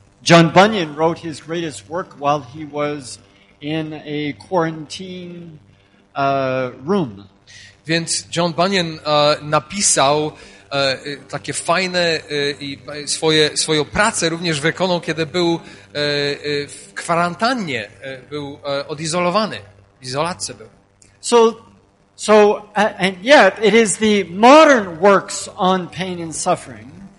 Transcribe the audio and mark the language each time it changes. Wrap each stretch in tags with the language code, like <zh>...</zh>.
<en>John Bunyan wrote his greatest work while he was in a quarantine room.</en> <pl>Więc John Bunyan napisał takie fajne i swoją pracę również wykonał, kiedy był w kwarantannie, był odizolowany, w izolacji był.</pl> <en>So and yet it is the modern works on pain and suffering.</en>